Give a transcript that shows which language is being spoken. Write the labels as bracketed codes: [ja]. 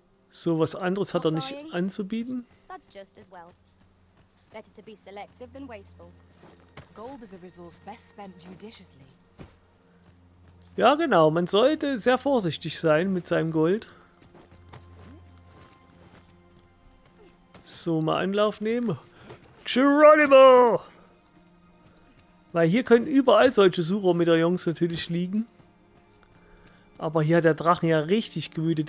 [de] So was anderes hat er nicht anzubieten. [en] That's just as well. Better to be selective than wasteful. Gold is a resource best spent judiciously. [de] Ja, genau, man sollte sehr vorsichtig sein mit seinem Gold. So, mal Anlauf nehmen. Geronimo! Weil hier können überall solche Suchermedaillons natürlich liegen. Aber hier hat der Drachen ja richtig gewütet.